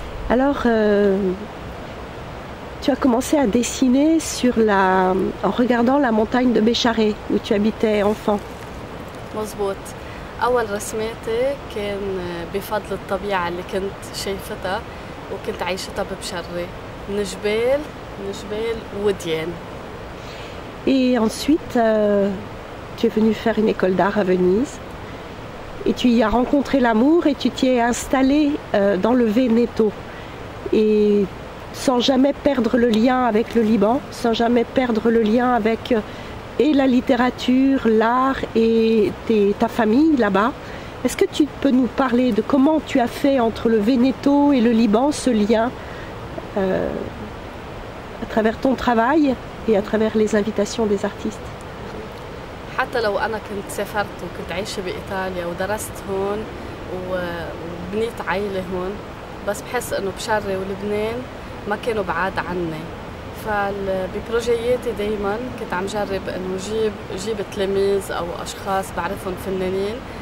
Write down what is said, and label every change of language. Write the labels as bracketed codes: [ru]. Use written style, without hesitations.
[fr] Alors, tu as commencé à dessiner en regardant la montagne de Béchare, où tu habitais enfant. [ar] مظبوط. أول رسماتي كان بفضل الطبيعة اللي كنت شايفتها وكنت عايشتها ببشري. من جبال وديان. [fr] Et ensuite, tu es venue faire une école d'art à Venise. Et tu y as rencontré l'amour et tu t'y es installée dans le Veneto. Et sans jamais perdre le lien avec le Liban, sans jamais perdre le lien avec et la littérature, l'art et ta famille là-bas. Est-ce que tu peux nous parler de comment tu as fait entre le Veneto et le Liban ce lien à travers ton travail et à travers les invitations des artistes? [ar] حتى لو أنا كنت سافرت وكنت عايشة بإيطاليا ودرست هون وبنيت عائلة هون بس بحس إنه بشري ولبنان ما كانوا بعاد عني فبروجياتي دايما كنت عم جرب إنه جيب تلاميذ أو أشخاص بعرفهم فنانين